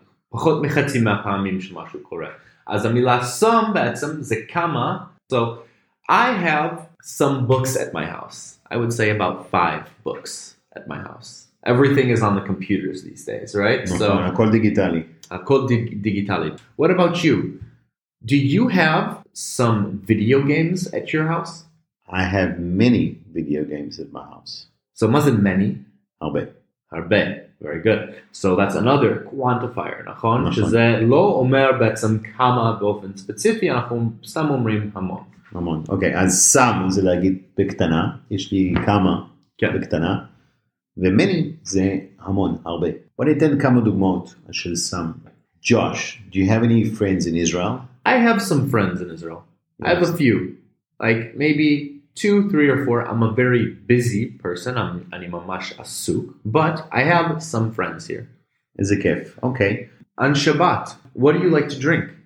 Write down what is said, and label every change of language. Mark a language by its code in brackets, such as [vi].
[he] פחות מחצי מהפעמים שמשהו קורה. אז המילה some בעצם זה כמה. [en] So, I have some books at my house. I would say about 5 books at my house. Everything is on the computers these days, right? [he] So, הכל דיגיטלי. הכל דיגיטלי. [en] What about you? Do you have some video games at your house? I have many video games at my house. [he] So, מה זה many? הרבה. הרבה. [en] Very good. So, that's another quantifier, נכון? [he] נכון. שזה לא אומר בעצם כמה באופן ספציפי, אנחנו סתם אומרים המון. המון. אוקיי, אז some זה להגיד בקטנה, יש לי כמה בקטנה, ו-many זה המון, הרבה. בוא ניתן כמה דוגמאות של some. [en] Josh, do you have any friends in Israel? I have some friends in Israel. Yes. I have a few. Like, maybe 2, 3, or 4. I'm a very busy person. [he] אני ממש עסוק. [en] But I have some friends here. [he] איזה כיף. אוקיי. [en] On Shabbat, what do you like to drink?